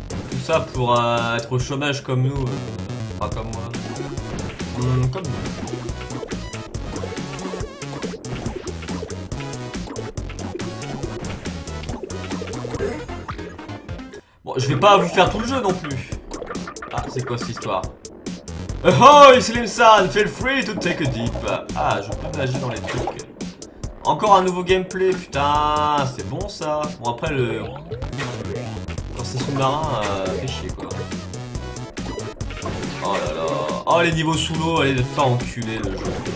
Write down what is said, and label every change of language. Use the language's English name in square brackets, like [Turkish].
[French] Tout ça pour être au chômage comme nous. Enfin comme moi. Comme nous. Bon, je vais pas vous faire tout le jeu non plus. Ah, c'est quoi cette histoire? [English] Ahoy, Slim-san, feel free to take a dip. [French] Ah, je peux nager dans les trucs. Encore un nouveau gameplay, putain, c'est bon ça. Bon, après, le... Quand c'est sous-marin, fait chier, quoi. Oh là là. Oh, les niveaux sous l'eau, allez, faire enculer le jeu.